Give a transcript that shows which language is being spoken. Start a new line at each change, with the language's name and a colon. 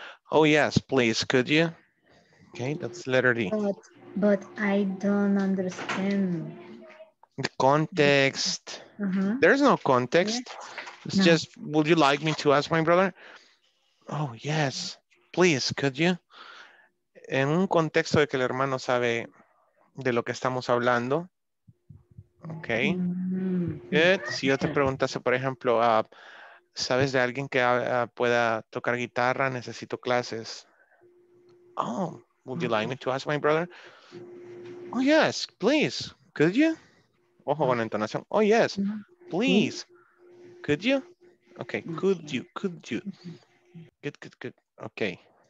English: Oh yes, please, could you? Okay, that's letter D. But I don't understand. The context. Uh-huh. There's no context. Yes. It's no. Just, would you like me to ask my brother? Oh yes, please, could you?
Spanish: En un contexto de que el hermano sabe de lo que estamos hablando. Okay. Mm-hmm. Good. Si yo te preguntase, por ejemplo, ¿sabes de alguien que pueda tocar guitarra? Necesito clases.
English: Oh, would you like me to ask my brother? Oh, yes, please. Could you?
Spanish: Ojo con la entonación.
English: Oh, yes. Please. Could you? Okay. Could you? Could you? Good, good, good. Okay.